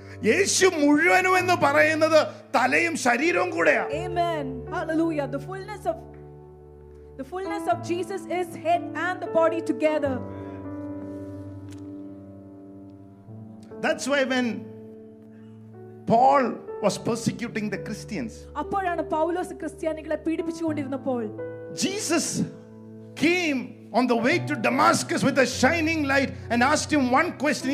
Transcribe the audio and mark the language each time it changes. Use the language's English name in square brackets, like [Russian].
[Malayalam] യേശു മുഴുവനും എന്ന് പറയുന്നത് തലയും ശരീരവും കൂടെയാണ്. ആമേൻ. Hallelujah. [English] The fullness of Jesus is head and the body together. That's why when Paul was persecuting the Christians, [Malayalam] അപ്പോഴാണ് പൗലോസ് ക്രിസ്ത്യാനികളെ പീഡിപ്പിച്ചുകൊണ്ടിരുന്നപ്പോൾ, [English] Jesus came on the way to Damascus with a shining light and asked him one question.